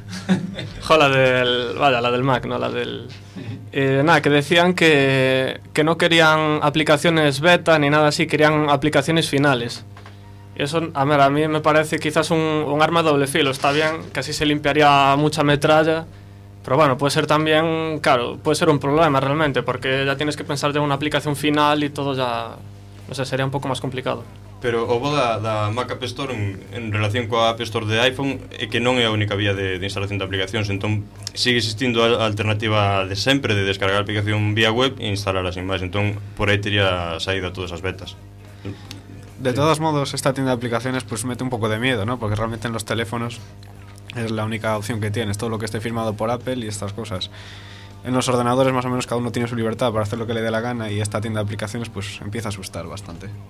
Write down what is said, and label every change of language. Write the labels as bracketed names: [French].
[Spanish] la del Mac, no la del... que decían que no querían aplicaciones beta ni nada así, querían aplicaciones finales. Eso, a mí me parece quizás un arma de doble filo. Está bien que así se limpiaría mucha metralla, pero bueno, puede ser también, claro, puede ser un problema realmente, porque ya tienes que pensar en una aplicación final y todo ya, no sé, sería un poco más complicado. [Galician] Pero o bo da Mac App Store en relación coa App Store de iPhone é que non é a única vía de instalación de aplicacións, entón sigue existindo a alternativa de sempre de descargar a aplicación vía web e instalar as imaxes, entón por aí teria saída todas as betas. [Spanish] De todos modos, esta tienda de aplicaciones pues mete un pouco de miedo, ¿no? Porque realmente en los teléfonos es la única opción que tienes, todo lo que esté firmado por Apple y estas cosas. En los ordenadores más o menos cada uno tiene su libertad para hacer lo que le dé la gana y esta tienda de aplicaciones pues empieza a asustar bastante.